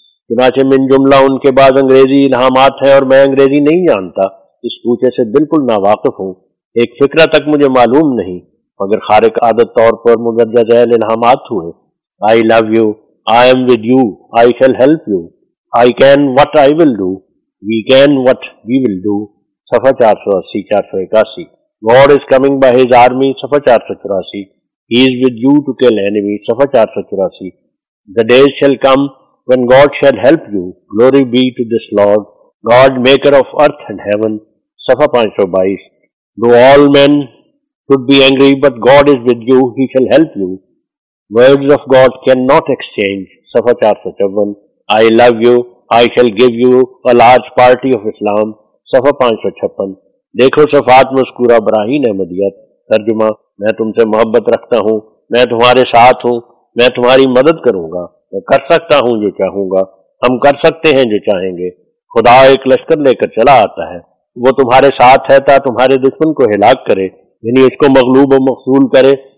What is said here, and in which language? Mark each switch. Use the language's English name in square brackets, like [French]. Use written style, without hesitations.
[Urdu] چنانچہ من جملہ ان کے بعد انگریزی الہامات ہیں اور میں انگریزی نہیں جانتا، اس کوچے سے بالکل ناواقف ہوں، ایک فکرہ تک مجھے معلوم نہیں، مگر خارق عادت طور پر مدرجہ ذیل الہامات ہوئے. [English] I love you, I am with you, I shall help you, I can what I will do, we can what we will do. [Urdu] صفحہ 480-481. [English] God is coming by his army. [Urdu] صفحہ 484. [English] He is with you to kill enemy. [Urdu] صفحہ 484. [English] The days shall come when God shall help you. Glory be to this Lord, God maker of earth and heaven. [Urdu] صفحہ 522. [English] Though all men should be angry, but God is with you, he shall help you. Words of God cannot exchange. [Urdu] صفحہ 454. [English] I love you, I shall give you a large party of Islam. [Urdu] صفحہ 556. دیکھو صفات مذکورہ براہین احمدیت. ترجمہ: میں تم سے محبت رکھتا ہوں، میں تمہارے ساتھ ہوں، میں تمہاری مدد کروں گا، میں کر سکتا ہوں جو چاہوں گا، ہم کر سکتے ہیں جو چاہیں گے. خدا ایک لشکر لے کر چلا آتا ہے، وہ تمہارے ساتھ ہے تا تمہارے دشمن کو ہلاک کرے، یعنی اس کو مغلوب و مخذول کرے.